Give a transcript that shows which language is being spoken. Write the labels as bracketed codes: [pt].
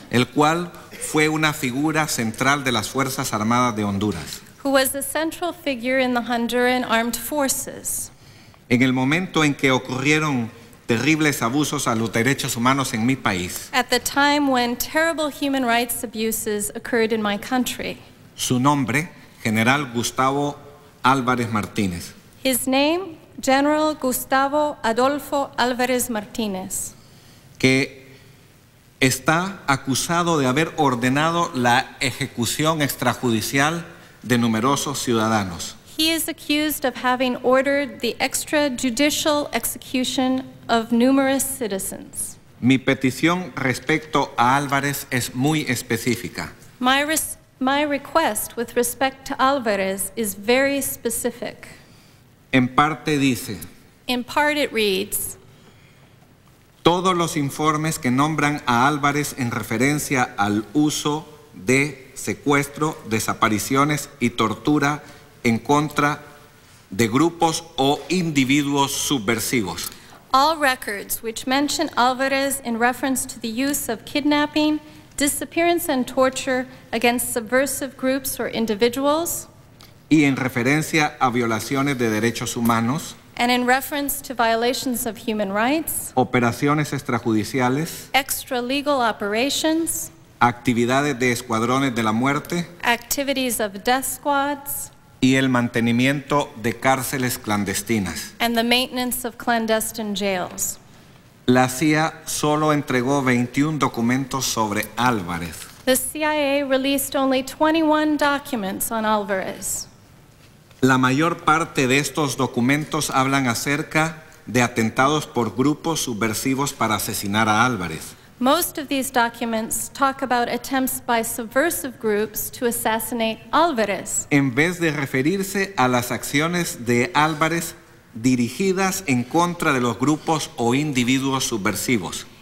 [es] El cual fue una figura central de las Fuerzas Armadas de Honduras. [en] Who was a central figure in the Honduran Armed Forces. [es] En el momento en que ocurrieron terribles abusos a los derechos humanos en mi país. [en] At the time when terrible human rights abuses occurred in my country. [es] Su nombre, General Gustavo Álvarez Martínez. [en] His name, General Gustavo Adolfo Álvarez Martínez. [es] Que está acusado de haber ordenado la ejecución extrajudicial de numerosos ciudadanos. [en] He is accused of having ordered the extrajudicial execution of numerous citizens. [es] Mi petición respecto a Álvarez es muy específica. [en] My request with respect to Álvarez is very specific. [es] En parte dice. [en] In part it reads. [es] Todos los informes que nombran a Álvarez en referencia al uso de secuestro, desapariciones y tortura en contra de grupos o individuos subversivos. [en] All records which mention Álvarez in reference to the use of kidnapping, disappearance and torture against subversive groups or individuals. [es] Y en referencia a violaciones de derechos humanos. [en] And in reference to violations of human rights. [es] Operaciones extrajudiciales. [en] Extralegal operations. [es] Actividades de escuadrones de la muerte. [en] Activities of death squads. [es] Y el mantenimiento de cárceles clandestinas. [en] And the maintenance of clandestine jails. [es] La CIA solo entregó 21 documentos sobre Álvarez. [en] The CIA released only 21 documents on Álvarez. [es] La mayor parte de estos documentos hablan acerca de atentados por grupos subversivos para asesinar a Álvarez. [en] Most of these documents talk about attempts by subversive groups to assassinate Álvarez. [es] En vez de referirse a las acciones de Álvarez dirigidas en contra de los grupos o individuos subversivos.